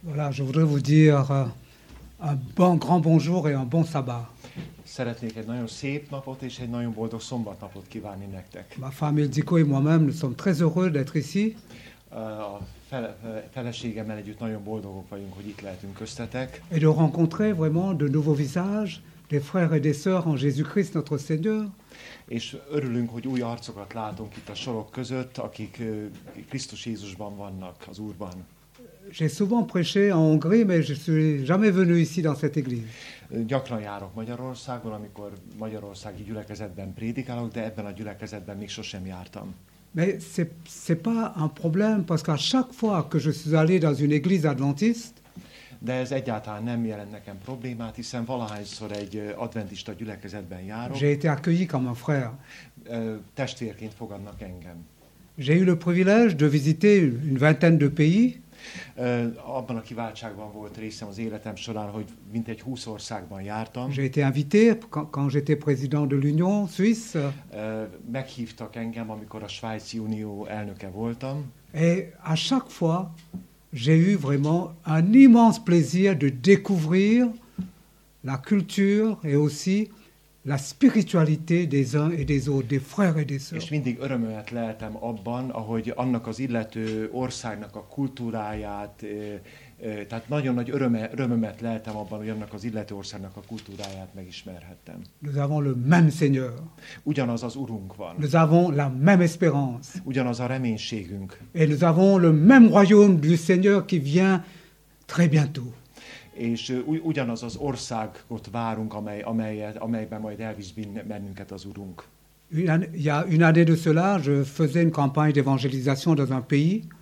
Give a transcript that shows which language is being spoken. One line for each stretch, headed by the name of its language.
French: Voilà, je voudrais vous dire un bon grand bonjour et un bon sabbat.
Hungarian: Szeretnék egy nagyon szép napot és egy nagyon boldog szombatnapot kívánni nektek.
French: Ma famille Dico et moi-même nous sommes très heureux d'être ici.
Hungarian: A feleségemmel együtt nagyon boldogok vagyunk, hogy itt lehetünk köztetek.
French: Et de rencontrer vraiment de nouveaux visages, des frères et des sœurs en Jésus-Christ notre Seigneur.
Hungarian: És örülünk, hogy új arcokat látunk itt a sorok között, akik Krisztus Jézusban vannak, az Úrban.
French: J'ai souvent prêché en Hongrie, mais je suis jamais venu ici dans cette église.
Hungarian: Gyakran járok Magyarországon, amikor magyarországi gyülekezetben prédikálok, de ebben a gyülekezetben még sosem jártam.
French: Mais c'est pas un problème parce qu'à chaque fois que je suis allé dans une église adventiste,
Hungarian: de ez egyáltalán nem jelent nekem problémát, hiszen valahányszor egy adventista gyülekezetben járok.
French: J'ai été accueilli comme un frère.
Hungarian: Testvérként fogadnak engem.
French: J'ai eu le privilège de visiter une vingtaine de pays.
Hungarian: Abban a kiváltságban volt részem az életem során, hogy mintegy 20 országban jártam.
French: J'ai été invité quand j'étais président de l'Union Suisse.
Hungarian: Meghívtak engem, amikor a Svájci Unió elnöke voltam.
French: Et à chaque fois, j'ai eu vraiment un immense plaisir de découvrir la culture et aussi la spiritualité des uns et des autres, des frères et des sœurs.
Hungarian: És mindig örömöt leltem abban, ahogy annak az illető országnak a kultúráját, tehát nagyon nagy örömöt leltem abban, hogy annak az illető országnak a kultúráját megismerhettem.
French: Nous avons le même Seigneur.
Hungarian: Ugyanaz az Urunk van.
French: Nous avons la même espérance.
Hungarian: Ugyanaz a reménységünk.
French: Et nous avons le même royaume du Seigneur qui vient très bientôt.
Hungarian: És ugyanaz az országot várunk, amelyben majd elvisz bennünket az Urunk.
French: Il y a une année de cela, je faisais une campagne d'évangélisation dans un pays.